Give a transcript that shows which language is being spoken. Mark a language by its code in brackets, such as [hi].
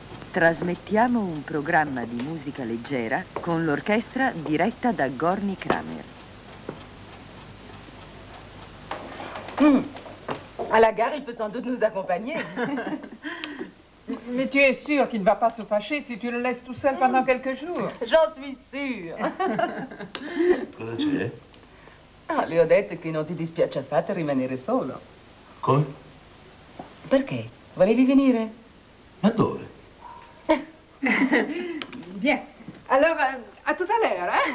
[it] Trasmettiamo un programma di musica leggera con l'orchestra diretta da Gorni Kramer. [fr] À la gare, il peut sans doute nous accompagner. Mais tu es sûr qu'il ne va pas se fâcher si tu le laisses tout seul pendant quelques jours? J'en suis sûre. [it] Cosa c'è? Ah, le ho detto che non ti dispiace affatto rimanere solo. Come? Perché? Volevi venire? Ma dove? [fr] Bien. Allora, a tout à l'heure,